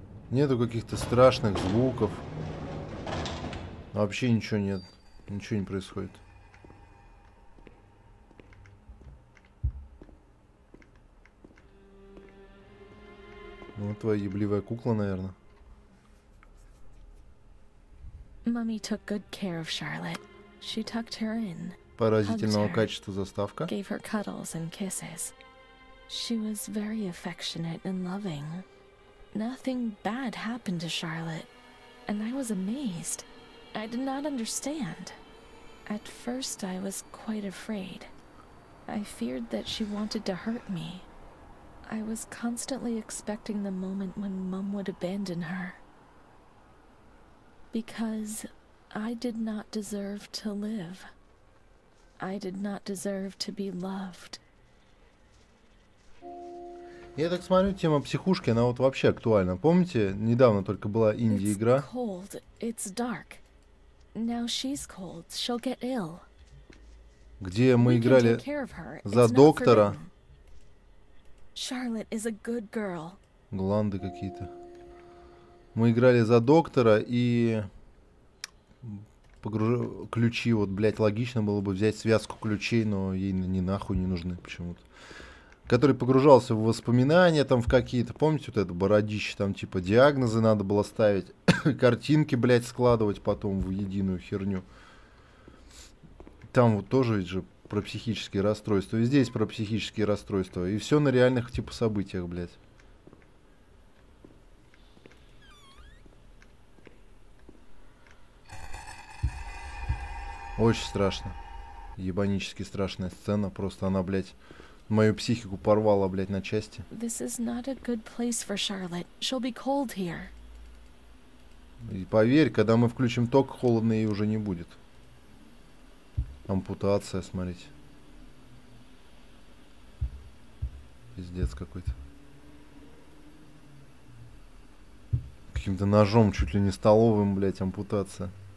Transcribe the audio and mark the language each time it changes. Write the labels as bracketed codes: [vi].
[ru] Нету каких-то страшных звуков. Вообще ничего нет. Ничего не происходит. Ну, твоя ебливая кукла, наверное. [en] Мама took good care of Charlotte. She tucked her in. [ru] Поразительного качества заставка. [en] Gave her cuddles and kisses. She was very affectionate and loving. Nothing bad happened to Charlotte, and I was amazed. I did not understand. At first, I was quite afraid. I feared that she wanted to hurt me. I was constantly expecting the moment when Mum would abandon her. Because I did not deserve to live. I did not deserve to be loved. [ru] Я так смотрю, тема психушки, она вот вообще актуальна. Помните, недавно только была инди-игра? [en] It's cold. It's dark. Now she's cold. She'll get ill. [ru] Где мы играли за доктора? [en] Charlotte is a good girl. [ru] Гланды какие-то. Мы играли за доктора и... Ключи, вот, блять, логично было бы взять связку ключей, но ей ни нахуй не нужны почему-то. Который погружался в воспоминания там в какие-то, помните, вот это бородище, там типа диагнозы надо было ставить, картинки, блядь, складывать потом в единую херню. Там вот тоже ведь же про психические расстройства, и здесь про психические расстройства, и все на реальных типа событиях, блядь. Очень страшно, ебанически страшная сцена, просто она, блядь, мою психику порвала, блядь, на части. [en] This is not a good place for Charlotte. She'll be cold here. [ru] И поверь, когда мы включим ток, холодно ей уже не будет. Ампутация, смотрите. Пиздец какой-то. Каким-то ножом, чуть ли не столовым, блядь, ампутация.